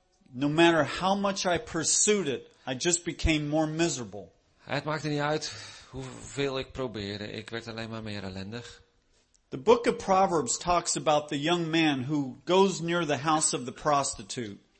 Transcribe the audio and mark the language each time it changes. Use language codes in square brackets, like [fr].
[en] No matter how much I pursued it, I just became more miserable. [nl] Het maakte niet uit hoeveel ik probeerde. Ik werd alleen maar meer ellendig. [en] The book of Proverbs talks about the young man who goes near the house of the prostitute.